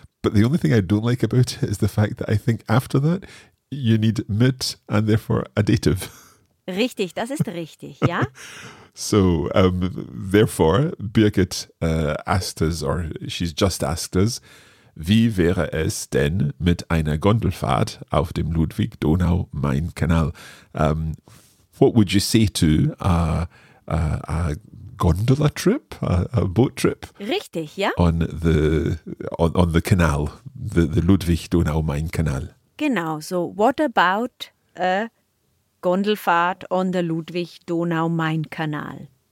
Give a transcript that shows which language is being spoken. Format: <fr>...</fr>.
<en>But the only thing I don't like about it is the fact that I think after that, you need mit and therefore a dative.</en> <de>Richtig, das ist richtig, ja.</de> <en>So, therefore, Birgit asked us, or she's just asked us,</en> <de>wie wäre es denn mit einer Gondelfahrt auf dem Ludwig-Donau-Main-Kanal?</de> <en>What would you say to a gondola trip, a boat trip?</en> <de>Richtig, ja.</de> <en>On the canal, the Ludwig-Donau-Main-Kanal. Genau, so what about a Gondelfahrt on the Ludwig-Donau-Main-Kanal?</en>